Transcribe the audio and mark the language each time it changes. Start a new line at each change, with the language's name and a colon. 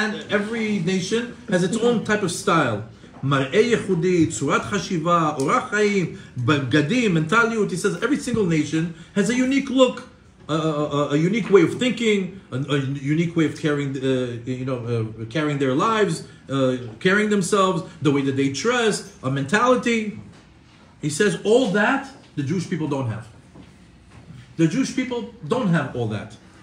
English: Every nation has its own type of style.
Hebrew: מראה ייחודי, צורת חשיבה, אורח חיים, בגדים, מנטליות.
English: He says every single nation has a unique look, a unique way of thinking, a unique way of carrying their lives, carrying themselves, the way that they dress, a mentality. He says all that the Jewish people don't have. The Jewish people don't have all that.